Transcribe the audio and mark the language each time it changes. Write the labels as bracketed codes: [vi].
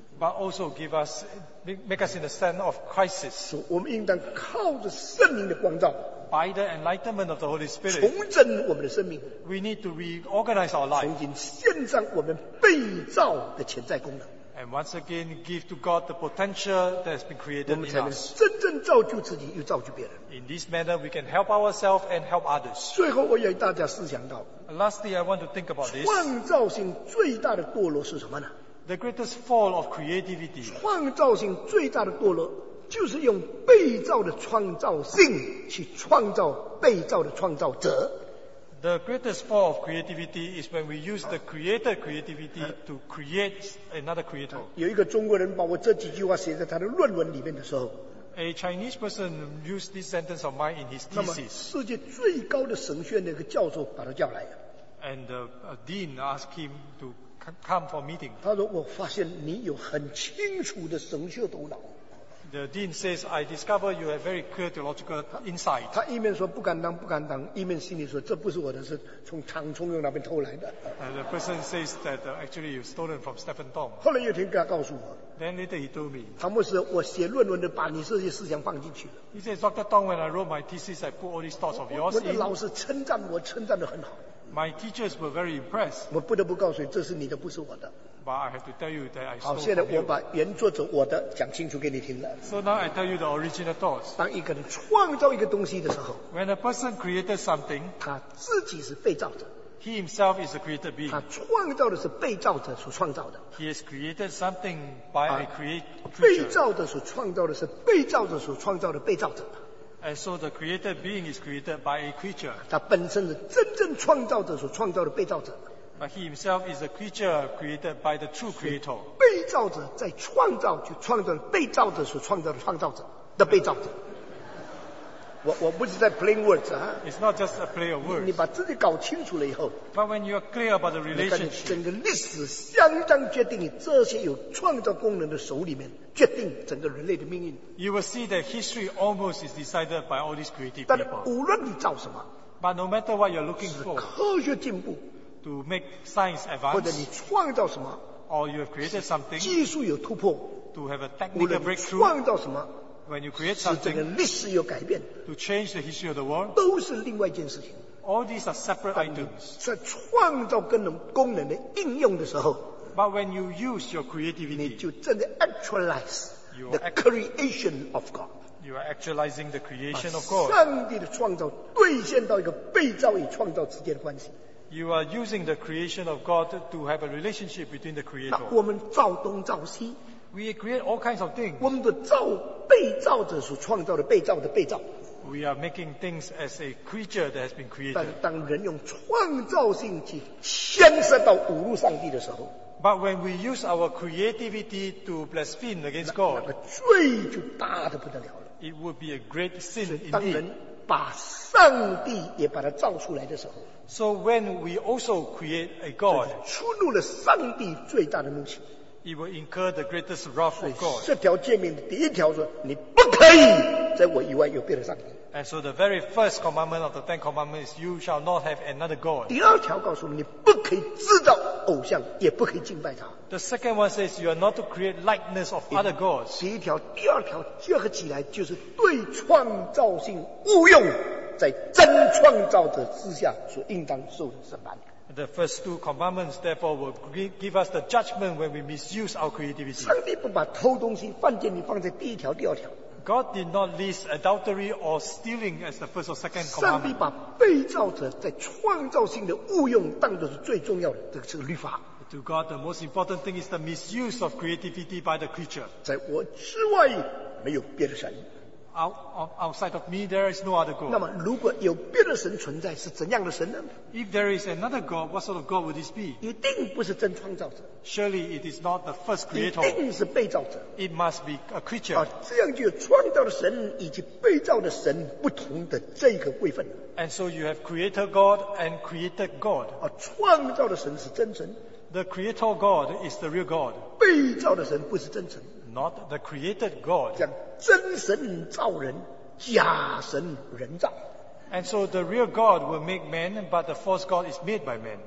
[en] But also give us, make us in a sense of crisis. [zh] 所以我们应当靠着圣灵的光照。 [en] By the enlightenment of the Holy Spirit. [zh] 重整我们的生命。 [en] We need to reorganize our life. [zh] 重新献上我们被造的潜在功能。 [en] And once again, give to God the potential that has been created in us. [zh] 我们才能真正造就自己，又造就别人。 [en] In this manner, we can help ourselves and help others. [zh] 最后，我要大家思想到。 [en] Lastly, I want to think about this. [zh] 创造性最大的堕落是什么呢 [en] ？The greatest fall of creativity. [zh] 创造性最大的堕落就是用被造的创造性去创造被造的创造者。 [en] The greatest fall of creativity is when we use the creator creativity to create another creator. [zh] 有一个中国人把我这几句话写在他的论文里面的时候 [en] ，A Chinese person used this sentence of mine in his thesis. [zh] 那么世界最高的神学的一个教授把他叫来 [en] ，And the dean asked him to come for meeting. [zh] 他说：“我发现你有很清楚的神学头脑。” [en] The dean says, "I discover you have very clear theological insight." [zh] 他一面说不敢当不敢当，一面心里说这不是我的，是从唐崇荣那边偷来的。 [en] And the person says that actually you stolen from Stephen Tong. [zh] 后来有天他告诉我。 [en] Then later he told me. [zh] 唐牧师，我写论文的把你这些思想放进去了。 [en] He says, "Dr. Tong, when I wrote my thesis, I put all these thoughts of yours in." [zh] 我的老师称赞我，称赞得很好。 [en] My teachers were very impressed. [zh] 我不得不告诉你，这是你的，不是我的。 [en] But I have to tell you that I stole from you. [zh] 好，现在我把原作者我的讲清楚给你听了。 [en] So now I tell you the original thoughts. [zh] 当一个人创造一个东西的时候 [en] ，When a person created something, [zh] 他自己是被造者。 [en] He himself is a created being. [zh] 他创造的是被造者所创造的。 [en] He has created something by a created creature. [zh] 被造的所创造的是被造者所创造的被造者。 [en] And so the created being is created by a creature. [zh] 他本身是真正创造者所创造的被造者。 [en] But he himself is a creature created by the true creator. [zh] 被造者在创造，就创造被造者所创造的创造者的被造者。我不是在 [en] playing words [zh] 啊。 [en] It's not just a play of words. [zh] 你把自己搞清楚了以后。 [en] But when you are clear about the relationship, [zh] 整个历史相当决定你这些有创造功能的手里面决定整个人类的命运。 [en] You will see that history almost is decided by all these creative people. [zh] 但无论你造什么。 [en] But no matter what you're looking for, [zh] 是科学进步。 [en] To make science advance. [zh] 或者你创造什么。 [en] Or you have created something. [zh] 技术有突破。 [en] To have a technical breakthrough. [zh] 无论你创造什么。 [en] When you create something, [zh] 是整个历史有改变 [en] to change the history of the world, [zh] 都是另外一件事情 [en] All these are separate items. [zh] 在创造功能的应用的时候 [en] But when you use your creativity, [zh] 你就真的 [en] actualize the creation of God. You are actualizing the creation of God. [zh] 上帝的创造兑现到一个被造与创造之间的关系 [en] You are using the creation of God to have a relationship between the creator. [zh] 那我们造东造西 [en] We create all kinds of things. [zh] 我们的造被造者所创造的被造的被造。 [en] We are making things as a creature that has been created. [zh] 但当人用创造性去牵涉到侮辱上帝的时候 [en] ，But when we use our creativity to blaspheme against God, [zh] 那个罪就大得不得了了。 [en] It would be a great sin indeed. [zh] 当人把上帝也把它造出来的时候 [en] ，So when we also create a God, [zh] 触怒了上帝最大的怒气。 [en] It will incur the greatest wrath of God. [zh] 这条诫命的第一条说，你不可以在我以外有别的上帝。 [en] And so the very first commandment of the Ten Commandments is, you shall not have another God. [zh] 第二条告诉你，你不可以制造偶像，也不可以敬拜他。 [en] The second one says, you are not to create likeness of other gods. [zh] 第一条、第二条结合起来，就是对创造性误用，在真创造者之下所应当受的审判。 [en] The first two commandments, therefore, will give us the judgment when we misuse our creativity. [zh] 上帝不把偷东西放进你放在第一条、第二条。 [en] God did not list adultery or stealing as the first or second commandment. [zh] 上帝把被造者在创造性的误用当作是最重要的这个是律法。 [en] To God, the most important thing is the misuse of creativity by the creature. [zh] 在我之外没有别的神。 [en] Outside of me, there is no other God. [zh] 那么，如果有别的神存在，是怎样的神呢 [en] ？If there is another God, what sort of God would this be? [zh] 一定不是真创造者。 [en] Surely it is not the first creator. [zh] 一定是被造者。 [en] It must be a creature. [zh] 啊，这样就有创造的神以及被造的神不同的这个位分。 [en] And so you have creator God and created God. [zh] 啊，创造的神是真神。 [en] The creator God is the real God. [zh] 被造的神不是真神。 [en] Not the created God. [zh] 讲真神造人，假神人造。 [en] And so the real God will make man, but the false God is made by man.